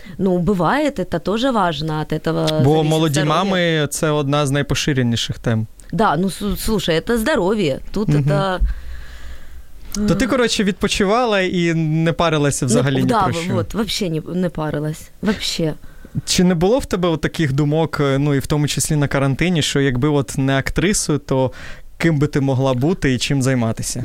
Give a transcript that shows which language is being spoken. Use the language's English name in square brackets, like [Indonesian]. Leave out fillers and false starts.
[Russian] Ну, бывает, это тоже важно от этого. [Ukrainian] Бо молоді мами – це одна з найпоширеніших тем. [Russian] Да, ну, слушай, это здоровье. Тут это... [Ukrainian] То ти, короче, відпочивала і не парилася взагалі ні про що? [Russian] Так, вообще не парилась. Вообще. [Ukrainian] Чи не було в тебе от таких думок, ну і в тому числі на карантині, що якби от не актрисою, то ким би ти могла бути і чим займатися?